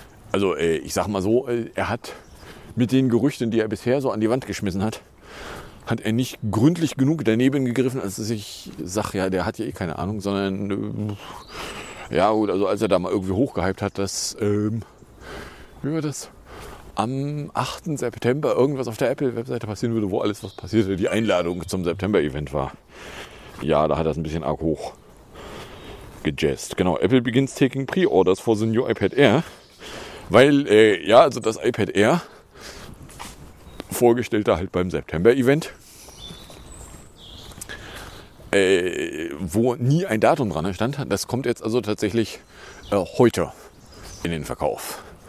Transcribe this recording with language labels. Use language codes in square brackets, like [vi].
[de] Also ich sag mal so, er hat mit den Gerüchten, die er bisher so an die Wand geschmissen hat, hat er nicht gründlich genug daneben gegriffen, als dass ich sag, ja, der hat ja eh keine Ahnung, sondern ja gut, also als er da mal irgendwie hochgehypt hat, dass, wie war das, am 8. September irgendwas auf der Apple-Webseite passieren würde, wo alles was passierte, die Einladung zum September-Event war. Ja, da hat er es ein bisschen arg hoch gejazzt. [en] Genau, Apple begins taking pre-orders for the new iPad Air. [de] Weil, ja, also das iPad Air, vorgestellt da halt beim September-Event, wo nie ein Datum dran stand, das kommt jetzt also tatsächlich heute in den Verkauf.